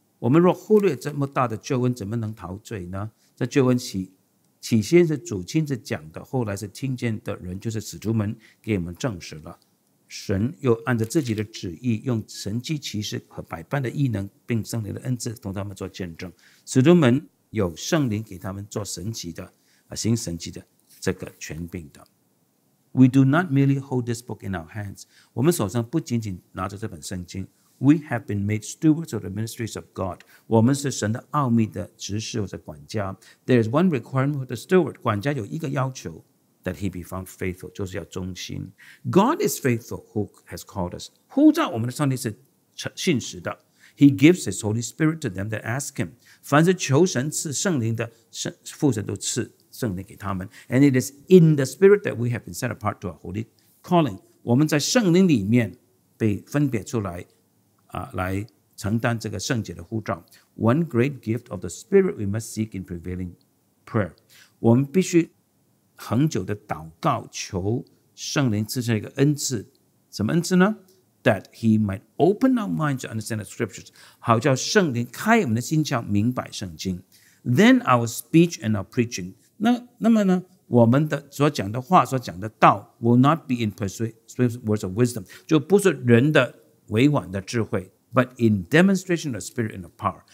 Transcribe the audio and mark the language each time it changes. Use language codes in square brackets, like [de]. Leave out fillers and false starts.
[zh] 我们若忽略这么大的救恩，怎么能陶醉呢？这救恩 起先是主亲自讲的，后来是听见的人就是使徒们给我们证实了。神又按着自己的旨意，用神迹奇事和百般的异能并圣灵的恩赐同他们做见证。使徒们有圣灵给他们做神迹的、行神迹的这个权柄的。 [en] We do not merely hold this book in our hands， [zh] 我们手上不仅仅拿着这本圣经。 [en] We have been made stewards of the ministries of God. [zh] 我们是神的奥秘的执事或者管家。 [en] There is one requirement of the steward. [zh] 管家有一个要求， [en] that he be found faithful， [zh] 就是要忠心。 [en] God is faithful who has called us. [zh] 呼召我们的上帝是信实的。 [en] He gives his Holy Spirit to them that ask him. [zh] 凡是求神赐圣灵的，父神都赐圣灵给他们。 [en] And it is in the Spirit that we have been set apart to our holy calling. [zh] 我们在圣灵里面被分别出来来承担这个圣洁的护照。 [en] One great gift of the Spirit we must seek in prevailing prayer. [zh] 我们必须恒久的祷告，求圣灵赐下一个恩赐。什么恩赐呢？ [en] That he might open our minds to understand the scriptures. [zh] 好叫圣灵开我们的心窍，明白圣经。 [en] Then our speech and our preaching. [zh] 那么呢，我们的所讲的话，所讲的道 [en] will not be in persuasive words of wisdom. [zh] 就不是人的委婉的智慧， [en] but in demonstration of spirit and of power.